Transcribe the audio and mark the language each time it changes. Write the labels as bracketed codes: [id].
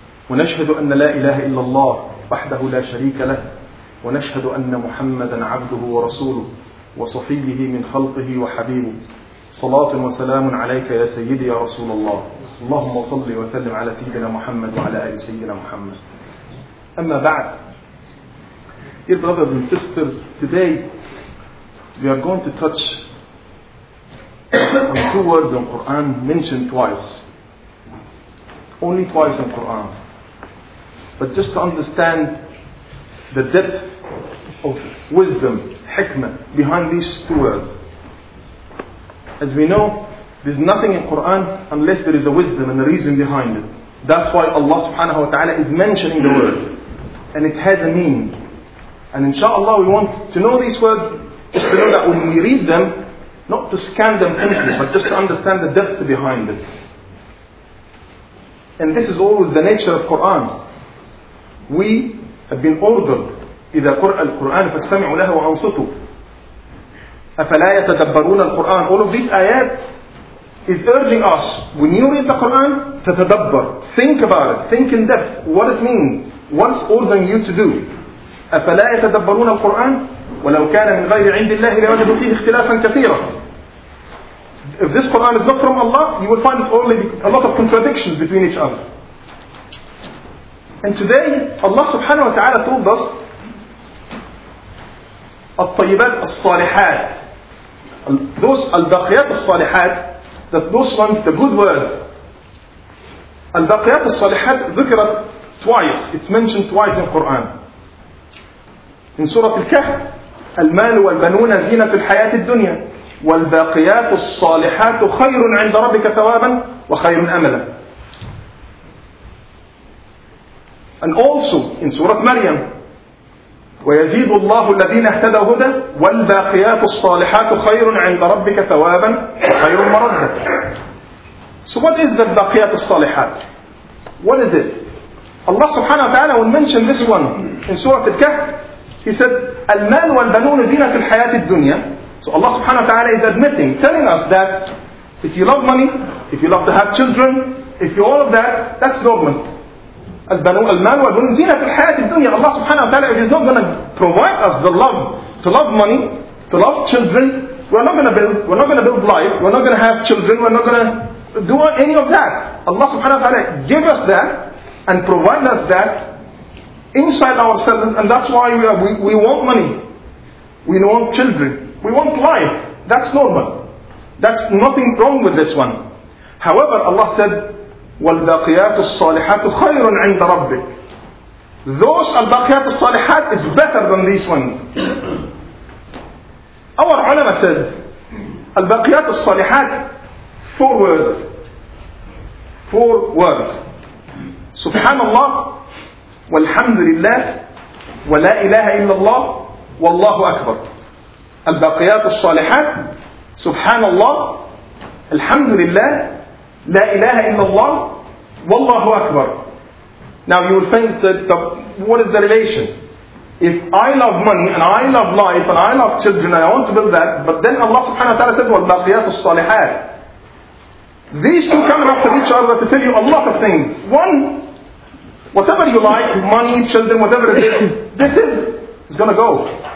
[ar] ونشهد أن لا إله إلا الله وحده لا شريك له، ونشهد أن محمدا عبده ورسوله وصفيه من خلقه وحبيبه. صلاة وسلام عليك يا سيدي يا رسول الله، اللهم صل وسلم على سيدنا محمد وعلى آل سيدنا محمد. أما بعد، [en] dear brothers and sisters, today we are going to touch on two words in Quran mentioned twice, only twice in Quran. But just to understand the depth of wisdom, hikmah behind these two words. As we know, there's nothing in Quran unless there is a wisdom and a reason behind it. That's why Allah subhanahu wa ta'ala is mentioning the word, and it has a meaning. And inshaAllah we want to know these words, just to know that when we read them, not to scan them simply, but just to understand the depth behind it. And this is always the nature of Quran. We have been ordered, [ar] إِذَا قُرْأَ الْقُرْآنِ فَاسْتَمِعُوا لَهُ وَأَنْصِتُوا أَفَلَا يَتَدَبَّرُونَ الْقُرْآنِ. [en] All of these ayat is urging us, when you read the Quran, تَتَدَبَّر. Think about it, think in depth, what it means, what's ordering you to do. [ar] أَفَلَا يَتَدَبَّرُونَ الْقُرْآنِ وَلَوْ كَانَ مِنْ غَيْرِ عِنْدِ اللَّهِ لَوَجَدُوا فِيهِ اخْتِلَافًا كَثِيرًا. [en] If this Quran is not from Allah, you will find it only a lot of contradictions between each other. And today, Allah subhanahu wa ta'ala told us, [ar] الطيبات الصالحات, [en] those [ar] الباقيات الصالحات, [en] that those ones, the good words. [ar] الباقيات الصالحات ذكرت [en] twice, it's mentioned twice in Quran. In Surah Al-Kahf, [ar] المال والبنون زينة الحياة الدنيا والباقيات الصالحات خير عند ربك ثوابا وخير أملا. [en] And also in Surah Maryam, [ar] وَيَزِيدُ اللَّهُ الَّذِينَ اهْتَدَوْا هُدًى وَالْبَاقِيَاتُ الصَّالِحَاتُ خَيْرٌ عِنْدَ رَبِّكَ ثَوَابًا وَخَيْرٌ مَرَدًّا. [en] So what is the [ar] الباقيات الصالحات? [en] What is it? Allah subhanahu wa ta'ala, when mentioned this one in Surah Al-Kahf, He said, [ar] المال والبنون زينة الحياة الدنيا. [en] So Allah subhanahu wa ta'ala is admitting, telling us that if you love money, if you love to have children, if you all of that, that's government. [ar] المال والبنون زينة الحياة الدنيا. [en] Allah subhanahu wa ta'ala is not going to provide us the love to love money, to love children. We're not going to build life. We're not going to have children. We're not going to do any of that. Allah subhanahu wa ta'ala give us that and provide us that inside ourselves. And that's why we want money. We want children. We want life. That's normal. That's nothing wrong with this one. However, Allah said, [ar] والباقيات الصالحات خير عند ربك. [en] Those [ar] الباقيات الصالحات [en] is better than these ones. Our ulama said [ar] الباقيات الصالحات [en] four words. [ar] سبحان الله والحمد لله ولا إله إلا الله والله أكبر. الباقيات الصالحات سبحان الله الحمد لله لا إله إلا الله والله أكبر. [en] Now you will think that what is the relation? If I love money and I love life and I love children and I want to build that, but then Allah subhanahu wa ta'ala said [ar] والباقيات الصالحات. [en] These two come after each other to tell you a lot of things. One, whatever you like, money, children, whatever it is, this is, it's gonna go.